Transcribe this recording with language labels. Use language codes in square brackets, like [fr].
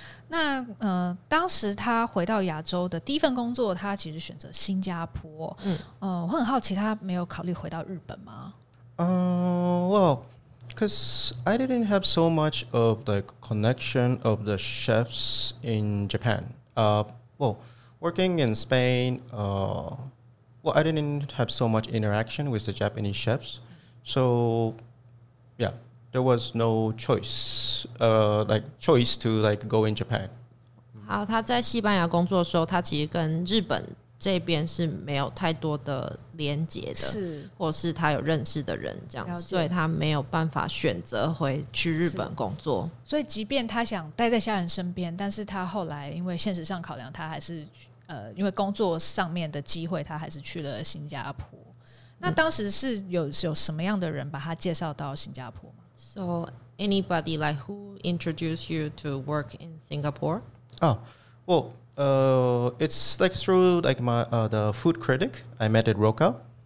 [zh] 那当时他回到亚洲的第一份工作，他其实选择新加坡。嗯，我很好奇，他没有考虑回到日本吗？ [en] Well, because I didn't have so much of the connection of the chefs in Japan. Working in Spain. I didn't have so much interaction with the Japanese chefs. So, yeah, there was no choice, choice to like go in Japan. [zh] 好，他在西班牙工作的时候，他其实跟日本这边是没有太多的连结的，是，或是他有认识的人这样，所以他没有办法选择回去日本工作。所以即便他想待在家人身边，但是他后来因为现实上考量，他还是因为工作上面的机会，他还是去了新加坡。那当时是 有什么样的人把他介绍到新加坡吗？ [en] So anybody like who introduced you to work in Singapore? Oh, well, it's like through like my the food critic I met at Roca.